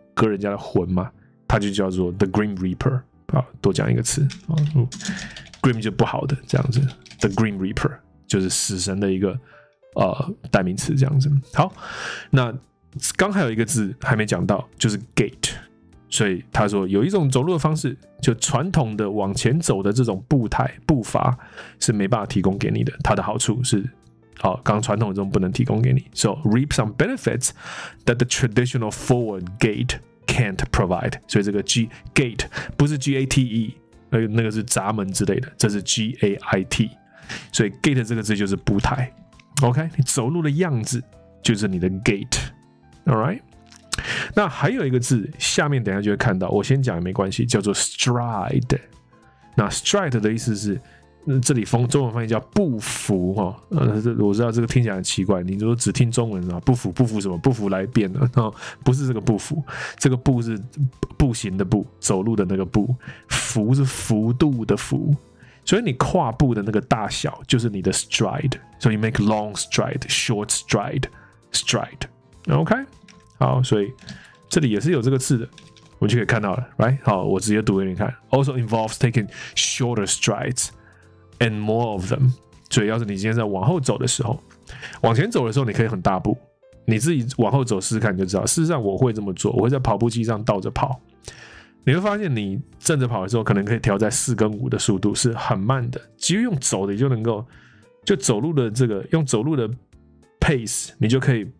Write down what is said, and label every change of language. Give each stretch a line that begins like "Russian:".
Chinese: 割人家的魂嘛，他就叫做 The Grim Reaper， 好，多讲一个词、Grim 就不好的这样子 ，The Grim Reaper 就是死神的一个代名词这样子。好，那刚还有一个字还没讲到，就是 Gate，所以他说有一种走路的方式，就传统的往前走的这种步态步伐是没办法提供给你的。他的好处是，好，刚传统的这种不能提供给你。
English: So reap some benefits that the traditional forward gait can't provide.
Chinese: 所以这个 gait 不是 G-A-T-E， 那个是闸门之类的，这是 G-A-I-T。所以 gait 这个字就是步态。OK， 你走路的样子就是你的 gait。
English: All right。
Chinese: 那还有一个字，下面等一下就会看到，我先讲也没关系，叫做 stride。那 stride 的意思是，这里中文翻译叫步幅哈、我知道这个听起来很奇怪，你如果只听中文啊，步幅步幅什么步幅来变的、不是这个步幅，这个步是步行的步，走路的那个步，幅是幅度的幅，所以你跨步的那个大小就是你的 stride。
English: 所以 make long stride, short stride, stride。OK。
Chinese: 好，所以这里也是有这个字的，我就可以看到了 ，right？好，我直接读给你看。
English: Also involves taking shorter strides and more of them。
Chinese: 所以，要是你今天在往后走的时候，往前走的时候，你可以很大步，你自己往后走试试看，你就知道。事实上，我会这么做，我会在跑步机上倒着跑。你会发现，你正着跑的时候，可能可以调在四跟五的速度，是很慢的。其实用走的，你就能够就走路的这个用走路的 pace， 你就可以。